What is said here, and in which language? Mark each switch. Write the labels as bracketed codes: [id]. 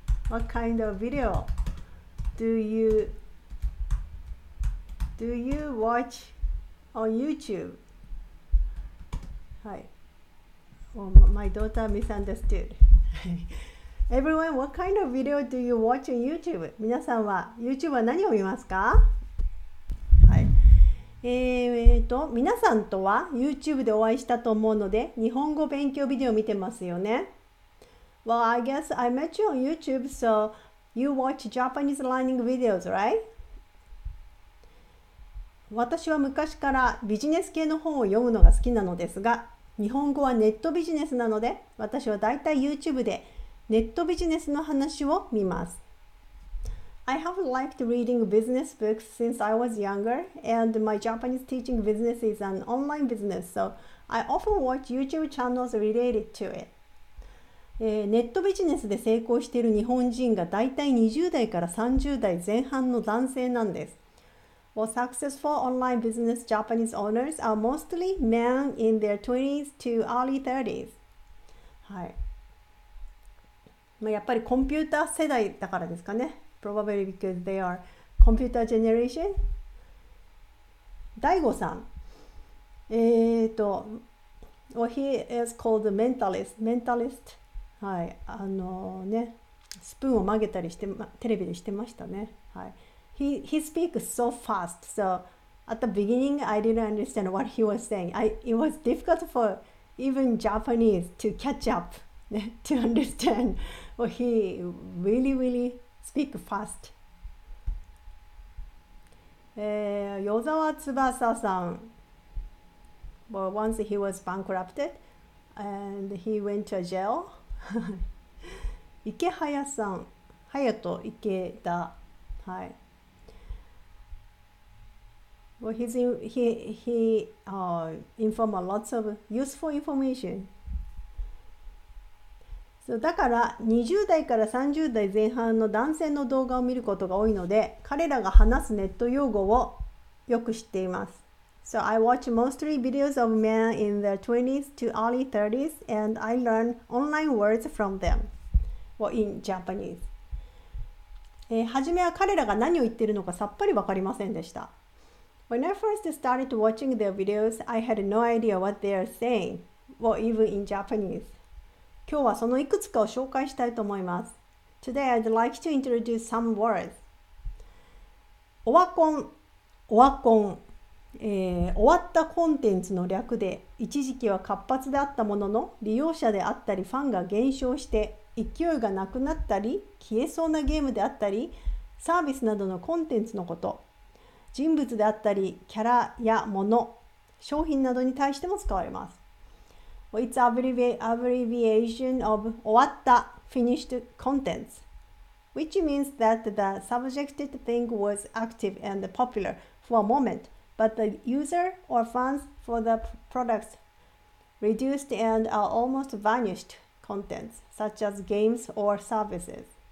[en] What kind of video do you watch on YouTube? Hi. Oh, my daughter misunderstood. Everyone, what kind of video do you watch on YouTube? [ja] 皆さんは YouTube は何を見ますか? 皆さんとは YouTube でお会いしたと思うので、日本語勉強ビデオを見てますよね。 [en] Well, I guess I met you on YouTube, so you watch Japanese learning videos, right? [ja] 私は昔からビジネス系の本を読むのが好きなのですが、日本語はネットビジネスなので、私はだいたい YouTube でネットビジネスの話を見ます。 [en] I have liked reading business books since I was younger, and my Japanese teaching business is an online business, so I often watch YouTube channels related to it. [ja] ネットビジネスで成功している日本人がだいたい20代から30代前半の男性なんです。 [en] Well, successful online business Japanese owners are mostly men in their 20s to early 30s. [ja] はい。まあ、やっぱりコンピューター世代だからですかね。 [en] Probably because they are computer generation. Daigo san. Well, he is called the mentalist. Mentalist. [ja] はい。ね、スプーンを曲げたりして、テレビでしてましたね。はい。 [en] He speaks so fast. So at the beginning, I didn't understand what he was saying. It was difficult for even Japanese to catch up, to understand. Well, he really, really... Speak fast. [ja] 与沢翼さん [en] Well, once he was bankrupted and he went to jail. [ja] 池早さん隼人池田はい [en] Well, he informed lots of useful information. [ja] だから20代から30代前半の男性の動画を見ることが多いので、彼らが話すネット用語をよく知っています。 [en] So I watch mostly videos of men in their 20s to early 30s and I learn online words from them. Well, in Japanese. [ja] はじめは彼らが何を言ってるのかさっぱりわかりませんでした。 [en] When I first started watching their videos, I had no idea what they are saying. Well, even in Japanese. [ja] 今日はそのいくつかを紹介したいと思います。 [en] Today I'd like to introduce some words. [ja] オワコン、オワコン、終わったコンテンツの略で、一時期は活発であったものの、利用者であったりファンが減少して、勢いがなくなったり、消えそうなゲームであったり、サービスなどのコンテンツのこと、人物であったり、キャラやもの、商品などに対しても使われます。 [en] It's abbreviation of 終わった finished contents, which means that the subjected thing was active and popular for a moment, but the user or fans for the products reduced and are almost vanished contents, such as games or services.